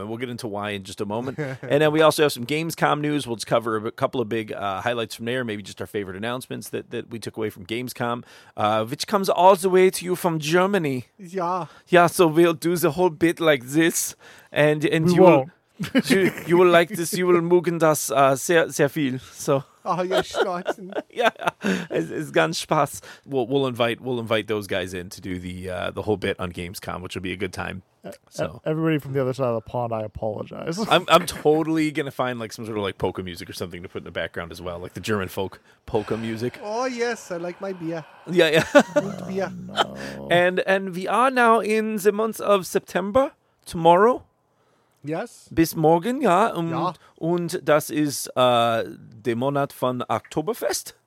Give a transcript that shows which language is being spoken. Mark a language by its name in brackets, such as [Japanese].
[English] And we'll get into why in just a moment. And then we also have some Gamescom news. We'll just cover a couple of big highlights from there. Maybe just our favorite announcements that we took away from Gamescom, which comes all the way to you from Germany. Yeah. Yeah, so we'll do the whole bit like this. And we won't. You will like this. You will [German] mögen das sehr viel. [English] So. Oh, yeah, Schatz. Yeah, it's [German] ganz Spaß. [English] We'll invite those guys in to do the whole bit on Gamescom, which will be a good time. So everybody from the other side of the pond, I apologize. I'm totally gonna find like some sort of like polka music or something to put in the background as well, like the German folk polka music. Oh yes, I like my beer. Yeah, yeah. Good beer. Oh, no. And we are now in the month of September. Tomorrow. Yes. [German] Bis morgen, ja. Und das ist der Monat von Oktoberfest.